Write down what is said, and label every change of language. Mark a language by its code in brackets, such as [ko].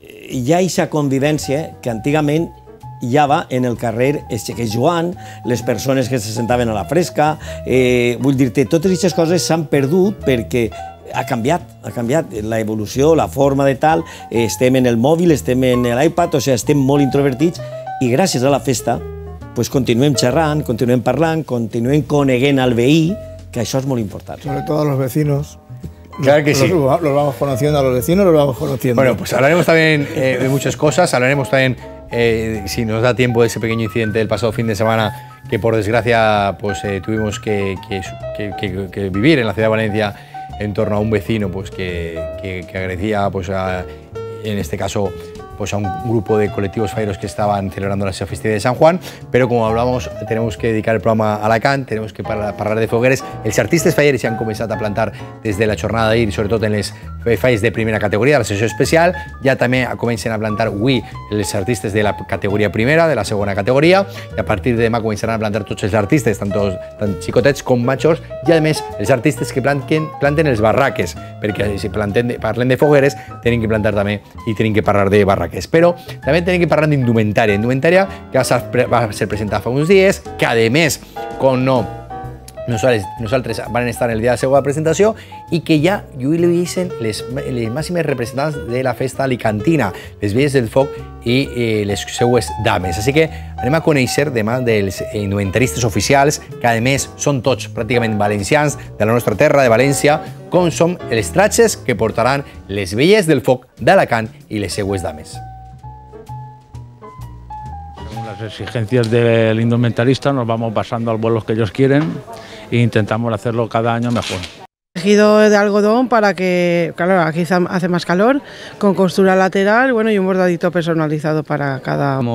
[ca] hi ha aquesta convivència que antigament hi va en el carrer es xiquets Joan, les persones que se sentaven a la fresca, vull dir-te, totes aquestes coses s'han perdut perquè ha canviat la evolució, la forma de tal, estem en el mòbil, estem en l'iPad, o sigui, estem molt introvertits i gràcies a la festa pues continuem xerrant, continuem parlant, continuem coneguent al veí, que això és molt important. Sobretot als veïns. [es] Claro que sí. Los vamos conociendo a los vecinos, los vamos conociendo. Bueno, pues hablaremos también de muchas cosas. Hablaremos también, si nos da tiempo, de ese pequeño incidente del pasado fin de semana que, por desgracia, pues, tuvimos que vivir en la ciudad de Valencia en torno a un vecino pues, que agredía, pues, en este caso, pues, a un grupo de colectivos falleros que estaban celebrando la festividad de San Juan. Pero como hablamos, tenemos que dedicar el programa a Alacant, [ca] tenemos que parlar de fogueres. Els artistes falleres se han començat a plantar des de la jornada d'ahir, [es] sobre todo [ca] en les falles de primera categoria, la sessió especial. Ja també comencen a plantar avui els artistes de la categoria primera, de la segona categoria, i a partir de demà començaran a plantar tots els artistes, tant xicotets com majors, i a més els artistes que planten els barraques, perquè si parlem de fogueres, tenen que plantar també i tenen que parlar de barraques. Però també tenen que parlar d'indumentària. Indumentària que va ser presentada fa uns dies, que a més, com no, nosaltres van estar en el dia de la seva presentació i que ja avui li veien les màximes representants de la festa alicantina, les velles del foc i les seues dames. Així que anem a conèixer demà dels indumentaristes oficials, que a més són tots pràcticament valencians de la nostra terra, de València, com són els tratges que portaran les velles del foc d'Alacant i les seues dames. [es] Según las exigencias del indumentarista, nos vamos basando al vuelo que ellos quieren e intentamos hacerlo cada año mejor. Tejido de algodón para que, claro, aquí hace más calor, con costura lateral, bueno, y un bordadito personalizado para cada...